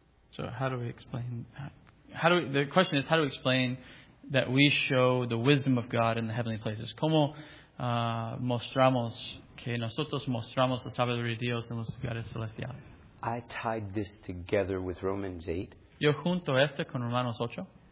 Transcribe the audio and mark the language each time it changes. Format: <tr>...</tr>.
<en>So how do we explain that? The question is, how do we explain that we show the wisdom of God in the heavenly places?</en> <es>¿Cómo mostramos que nosotros mostramos la sabiduría de Dios en los lugares celestiales?</es> <en>I tied this together with Romans 8.</en> <es>Yo junto esto con Romanos 8.</es>